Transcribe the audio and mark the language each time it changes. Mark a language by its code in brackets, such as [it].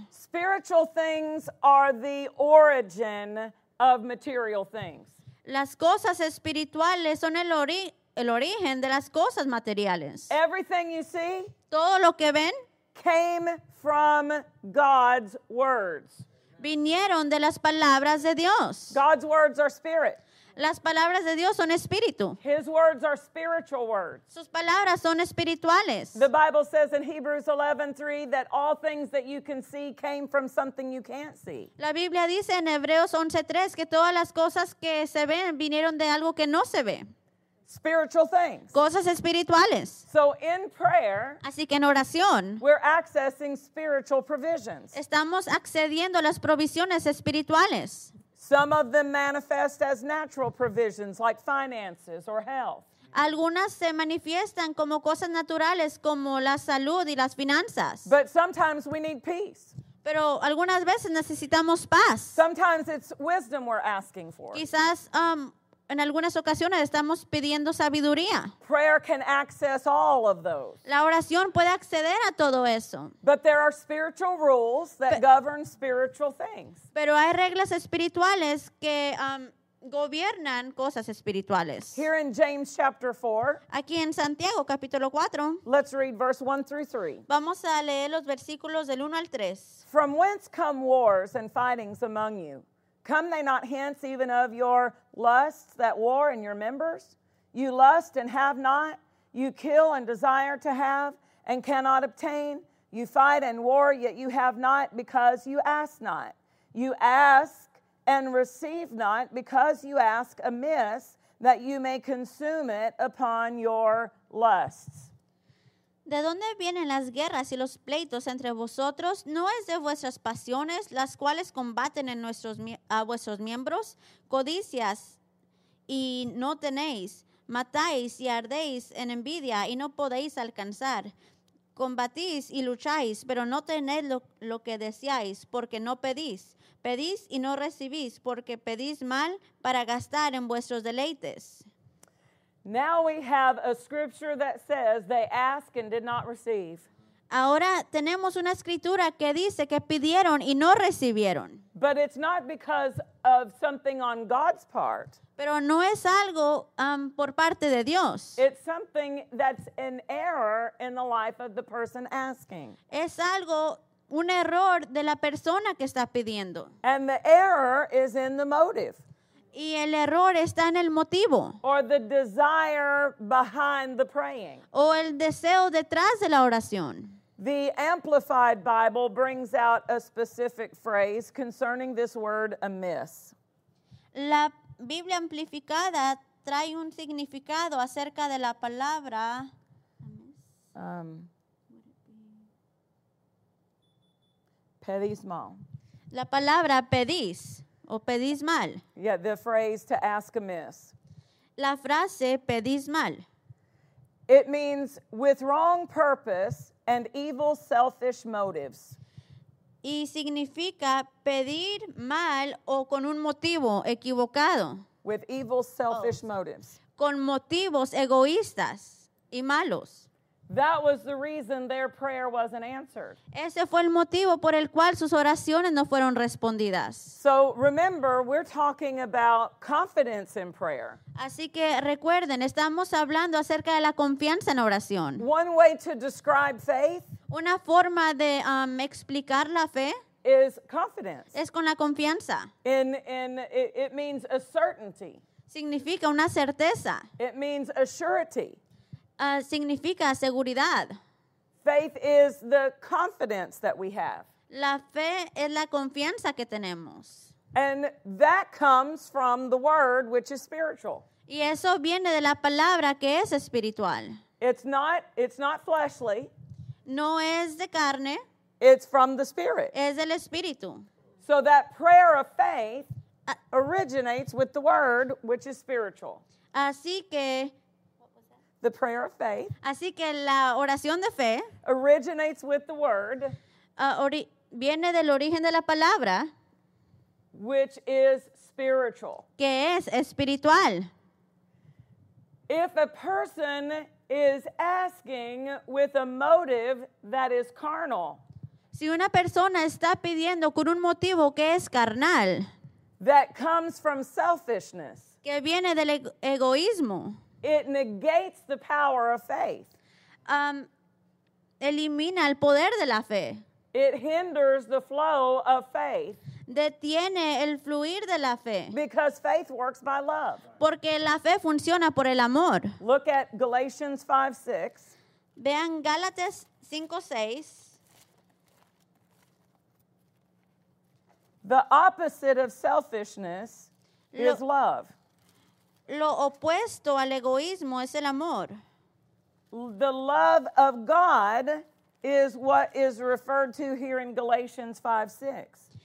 [en] Spiritual things are the origin of material things. [es] Las cosas espirituales son el origen de las cosas materiales. [en] Everything you see, [es] todo lo que ven, [en] came from God's words. [es] Vinieron de las palabras de Dios. [en] God's words are spirit. [es] Las palabras de Dios son espíritu. [en] His words are spiritual words. [es] Sus palabras son espirituales. [en] The Bible says in Hebrews 11:3 that all things that you can see came from something you can't see. [es] La Biblia dice en Hebreos 11:3 que todas las cosas que se ven vinieron de algo que no se ve. [en] Spiritual things. [es] Cosas espirituales. [en] So in prayer, [es] así que en oración, [en] we're accessing spiritual provisions. [es] Estamos accediendo a las provisiones espirituales. [en] Some of them manifest as natural provisions like finances or health. [es] Algunas se manifiestan como cosas naturales como la salud y las finanzas. [en] But sometimes we need peace. [es] Pero algunas veces necesitamos paz. [en] Sometimes it's wisdom we're asking for. [es] Quizás en algunas ocasiones estamos pidiendo sabiduría. [en] Prayer can access all of those. [es] La oración puede acceder a todo eso. [en] But there are spiritual rules that govern spiritual things. [es] Pero hay reglas espirituales que gobiernan cosas espirituales. [en] Here in James chapter 4. [es] Aquí en Santiago capítulo 4. [en] Let's read verse 1 through 3. [es] Vamos a leer los versículos del 1 al 3. [en] From whence come wars and fightings among you? Come they not hence even of your lusts that war in your members? You lust and have not. You kill and desire to have and cannot obtain. You fight and war, yet you have not because you ask not. You ask and receive not because you ask amiss that you may consume it upon your lusts. [es] ¿De dónde vienen las guerras y los pleitos entre vosotros? ¿No es de vuestras pasiones, las cuales combaten en vuestros miembros? Codicias y no tenéis, matáis y ardéis en envidia y no podéis alcanzar. Combatís y lucháis, pero no tenéis lo que deseáis, porque no pedís. Pedís y no recibís, porque pedís mal para gastar en vuestros deleites. [en] Now we have a scripture that says they ask and did not receive. [es] Ahora tenemos una escritura que dice que pidieron y no recibieron. [en] But it's not because of something on God's part. [es] Pero no es algo por parte de Dios. [en] It's something that's an error in the life of the person asking. [es] Es algo, un error de la persona que está pidiendo. [en] And the error is in the motive. [es] Y el error está en el motivo. [en] Or the desire behind the praying. [es] O el deseo detrás de la oración. [en] The Amplified Bible brings out a specific phrase concerning this word amiss. [es] La Biblia Amplificada trae un significado acerca de la palabra. Pedís mal. La palabra pedís o pedís mal. [en] Yeah, the phrase to ask amiss. [es] La frase pedís mal. [en] It means with wrong purpose and evil selfish motives. [es] Y significa pedir mal o con un motivo equivocado. [en] With evil selfish motives. [es] Con motivos egoístas y malos. [en] That was the reason their prayer wasn't answered. [es] Ese fue el motivo por el cual sus oraciones no fueron respondidas. [en] So remember, we're talking about confidence in prayer. [es] Así que recuerden, estamos hablando acerca de la confianza en oración. [en] One way to describe faith. [es] Una forma de explicar la fe. [en] Is confidence. [es] Es con la confianza. [en] It means a certainty. [es] Significa una certeza. [en] It means a surety. [es] Significa seguridad. [en] Faith is the confidence that we have. [es] La fe es la confianza que tenemos. [en] And that comes from the word which is spiritual. [es] Y eso viene de la palabra que es espiritual. [en] It's not fleshly. [es] No es de carne. [en] It's from the spirit. [es] Es del espíritu. [en] So that prayer of faith originates with the word which is spiritual. [es] Así que [en] the prayer of faith. [es] Así que la oración de fe [en] originates with the word. [es] Viene del origen de la palabra, [en] which is spiritual. [es] Que es espiritual. [en] If a person is asking with a motive that is carnal, [es] si una persona está pidiendo con un motivo que es carnal, [en] that comes from selfishness, [es] que viene del egoísmo. [en] It negates the power of faith. [es] Elimina el poder de la fe. [en] It hinders the flow of faith. [es] Detiene el fluir de la fe. [en] Because faith works by love. [es] Porque la fe funciona por el amor. [en] Look at Galatians 5:6. [es] Vean Gálatas 5:6. [en] The opposite of selfishness is love. [es] Lo opuesto al egoísmo es el amor. [en] The love of God is what is referred to here in Galatians 5:6.